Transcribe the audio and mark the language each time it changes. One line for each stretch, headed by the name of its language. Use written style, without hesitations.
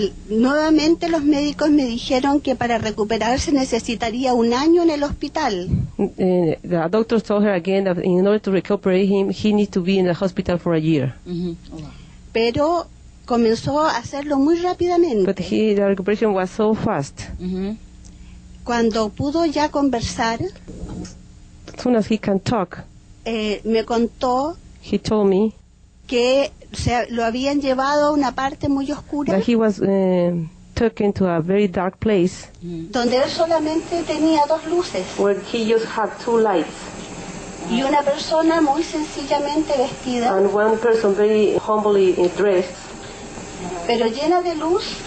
Spanish: Nuevamente los médicos me dijeron que para recuperarse necesitaría un año en el hospital.
English: The doctors told her again that in order to recuperate him, he needs to be in the hospital for a year.
Spanish: Pero comenzó a hacerlo muy rápidamente.
English: But the recuperation was so fast.
Spanish: Cuando pudo ya conversar.
English: As soon as he can talk.
Spanish: Me contó
English: he told me
Spanish: que lo habían llevado a una parte muy oscura.
English: That he was taken to a very dark place.
Spanish: Donde él solamente tenía dos luces.
English: Where he just had two lights.
Spanish: Y una persona muy sencillamente vestida.
English: And one person very humbly dressed.
Spanish: Pero llena de luz.